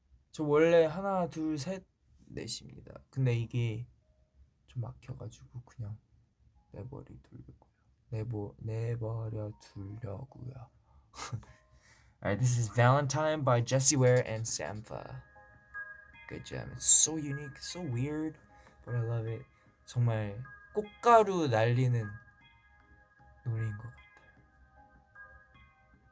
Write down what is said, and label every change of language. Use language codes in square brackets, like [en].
[ko] 저 원래 하나, 둘, 셋, 넷입니다. 근데 이게 좀 막혀가지고 그냥 내버려 두려고요. 내버려 두려고요. [en] Alright, this is Valentine by Jesse Ware and Sampha. Good gem. It's so unique, so weird, but I love it. [ko] 정말 꽃가루 날리는 노래인 것 같아요.